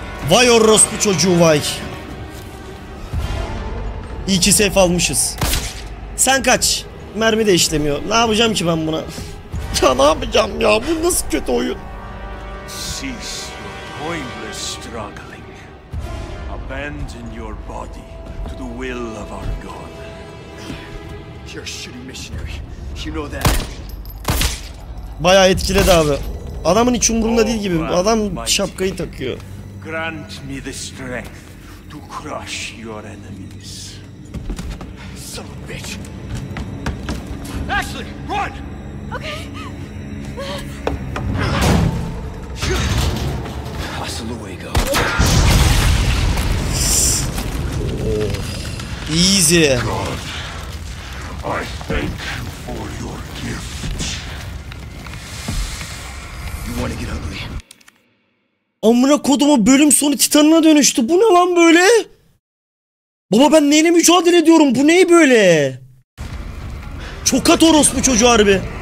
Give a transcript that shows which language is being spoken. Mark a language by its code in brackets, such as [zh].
[tr] Vay orospu çocuğu vay. İyi ki safe almışız. Sen kaç. Mermi de işlemiyor. Ne yapacağım ki ben buna? Ya ne yapacağım ya? Bu nasıl kötü oyun? [en] Cease your pointless struggling. Abandon your body to the will of our God. You're a shitty missionary. You know that. [tr] Bayağı etkiledi abi. Adamın hiç umurunda değil gibi. Adam şapkayı takıyor. [en] Grant me the strength to crush your enemies. Son of a bitch. Ashley, run! Okay. Hasta luego. Oh. Easy. God, I thank you for your gift. You want to get ugly? [tr] Amına kodumu, bölüm sonu titanına dönüştü. Bu ne lan böyle? Baba ben neyle mücadele ediyorum? Bu ney böyle? Çokat orospu çocuğu harbi.